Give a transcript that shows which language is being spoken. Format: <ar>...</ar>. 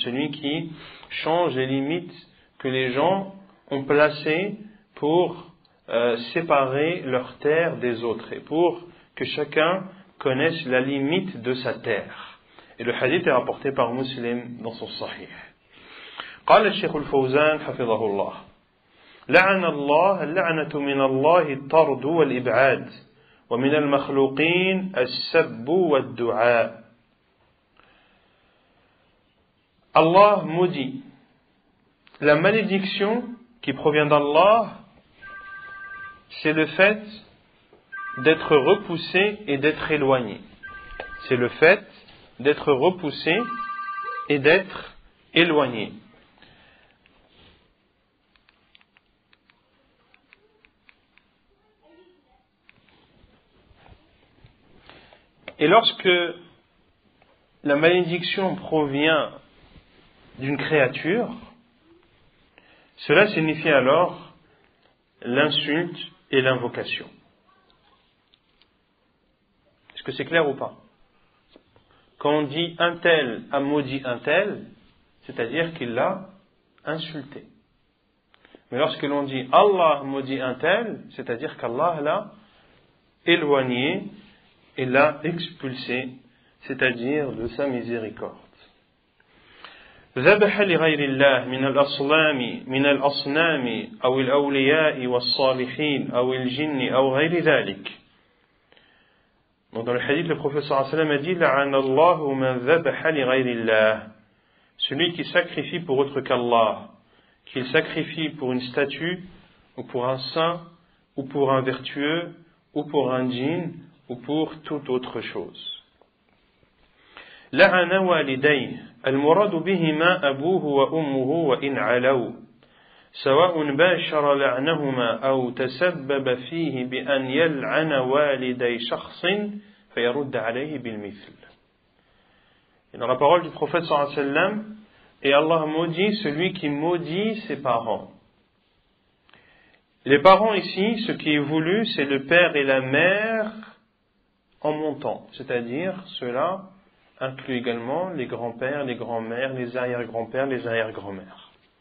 <fr>Celui qui change les limites que les gens ont placées pour séparer leur terre des autres et pour que chacun connaisse la limite de sa terre. Et le hadith est rapporté par Muslim dans son Sahih.</fr> <ar>قال الشيخ الفوزان حفظه الله لعن الله اللعنة من الله الطرد والإبعاد ومن المخلوقين السب والدعاء.</ar> <fr>Allah maudit. La malédiction qui provient d'Allah, c'est le fait d'être repoussé et d'être éloigné. C'est le fait d'être repoussé et d'être éloigné. Et lorsque la malédiction provient d'une créature, cela signifie alors l'insulte et l'invocation. Est-ce que c'est clair ou pas? Quand on dit un tel a maudit un tel, c'est-à-dire qu'il l'a insulté. Mais lorsque l'on dit Allah maudit un tel, c'est-à-dire qu'Allah l'a éloigné et l'a expulsé, c'est-à-dire de sa miséricorde.</fr> <ar>ذبح لغير الله من الأصنام من الأصنام أو الأولياء والصالحين أو الجن أو غير ذلك.</ar> <fr>Donc dans le hadith, le prophète a dit «</fr> <ar>La'an Allahu man dhabaha li ghayrillah</ar> <fr>» Celui qui sacrifie pour autre qu'Allah, qu'il sacrifie pour une statue, ou pour un saint, ou pour un vertueux, ou pour un djinn, ou pour toute autre chose.</fr> <ar>« La'an walidayh al-muradu bihima abuhu wa ummuhu wa in alaw » سواءٌ باشر لعنهما أو تسبب فيه بأن يلعن والدي شخص فيرد عليه بالمثل.</ar> <fr>Et dans la parole du prophète</fr> <ar>صلى الله عليه وسلم,</ar> <fr>et Allah maudit celui qui maudit ses parents. Les parents ici, ce qui est voulu, c'est le père et la mère en montant. C'est-à-dire, cela inclut également les grands-pères, les grands-mères, les arrière-grands-pères, les arrière-grands-mères.</fr>